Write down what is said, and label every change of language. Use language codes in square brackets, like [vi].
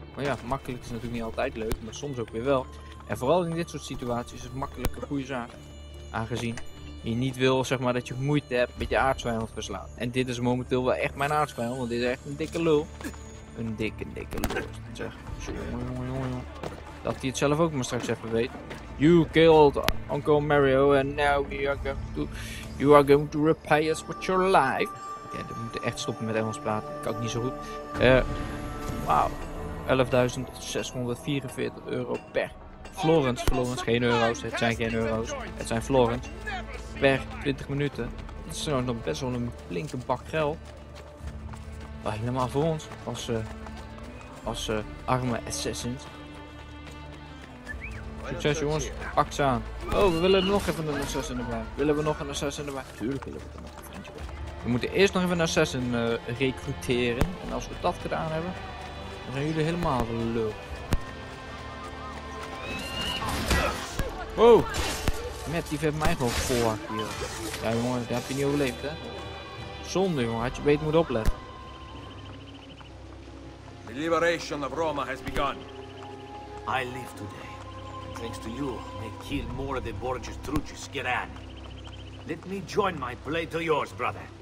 [nl] Maar ja, makkelijk is natuurlijk niet altijd leuk, maar soms ook weer wel. En vooral in dit soort situaties is het makkelijk een goede zaak. Aangezien je niet wil, zeg maar, dat je moeite hebt met je aardsvijand verslaan. En dit is momenteel wel echt mijn aardsvijand, want dit is echt een dikke lul. Een dikke lul. Zeg, jongen. Dat hij het zelf ook maar straks even weet. [en] You killed Uncle Mario and now you are going to repay us with your life. [nl] Okay, we moeten echt stoppen met Engels praten. Kan ik niet zo goed. Wauw. 11.644 euro per Florence. Florence, geen euro's. Het zijn geen euro's. Het zijn Florence. Per 20 minuten. Dat is nog best wel een flinke bak geld. Maar helemaal voor ons. Als arme assassins. Succes jongens, pak ze aan. Oh, we willen nog even een assassin erbij. Willen we nog een assassin erbij? Tuurlijk willen we er nog een vriendje bij. We moeten eerst nog even een assassin recruteren. En als we dat gedaan hebben, dan zijn jullie helemaal de lul. Oh, wow. Matt, die heeft mij gewoon gehakt hier. Ja jongen, daar heb je niet overleefd, hè? Zonde jongen, had je beter moeten opletten. [en] The liberation of Roma has begun. I live today. Thanks to you, they killed more of the Borgia's troops, Geran. Let me join my play to yours, brother.